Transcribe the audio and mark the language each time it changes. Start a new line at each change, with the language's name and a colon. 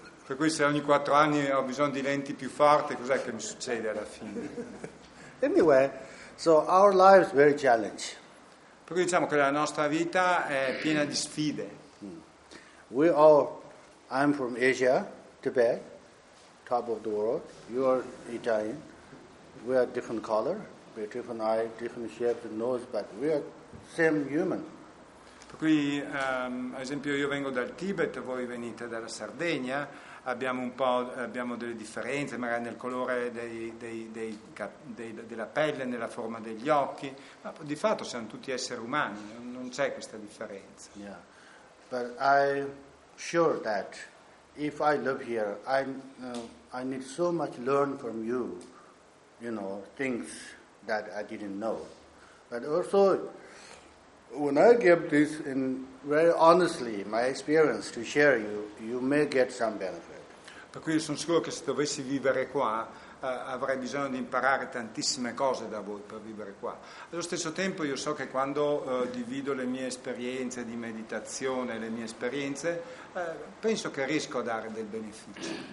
Italian: Per cui se ogni 4 anni ho bisogno di lenti più forti, cos'è che mi succede alla fine?
English: Anyway, so our life is very challenging.
Italian: Per cui diciamo che la nostra vita è piena di sfide.
English: We all, I'm from Asia, Tibet, top of the world. You are Italian. We are different color, we are different eye, different shape of nose, but we are same human.
Italian: Per cui, ad esempio, io vengo dal Tibet, voi venite dalla Sardegna. Abbiamo un po', abbiamo delle differenze magari nel colore della pelle, nella forma degli occhi, ma di fatto siamo tutti esseri umani, non c'è questa differenza. Yeah.
English: But I'm sure that if I live here, I need so much learn from you, you know, things that I didn't know. But also when I give this in very honestly my experience to share you, you may get some benefit.
Italian: Per cui sono sicuro che se dovessi vivere qua avrei bisogno di imparare tantissime cose da voi per vivere qua. Allo stesso tempo io so che quando divido le mie esperienze di meditazione, le mie esperienze, penso che riesco a dare del beneficio.